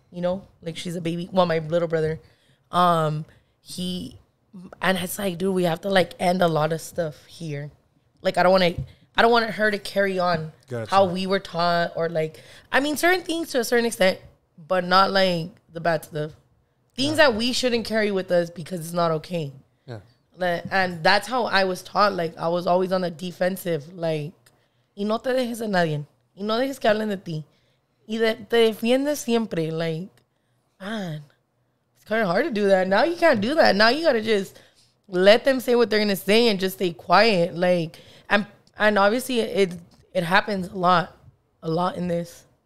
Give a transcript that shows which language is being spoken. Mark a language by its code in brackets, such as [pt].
[en] You know, like she's a baby. Well, my little brother, it's like, dude, we have to like end a lot of stuff here. Like, I don't want her to carry on how we were taught, or like, I mean, certain things to a certain extent, but not like the bad stuff, things that we shouldn't carry with us because it's not okay. Yeah, and that's how I was taught. Like, I was always on the defensive. [es] Like, y no te dejes a nadie, y no dejes que hablen de ti. Te defiendes siempre, [en] like, man, it's kind of hard to do that. Now you can't do that. Now you got to just let them say what they're going to say and just stay quiet. Like, and obviously it happens a lot in this.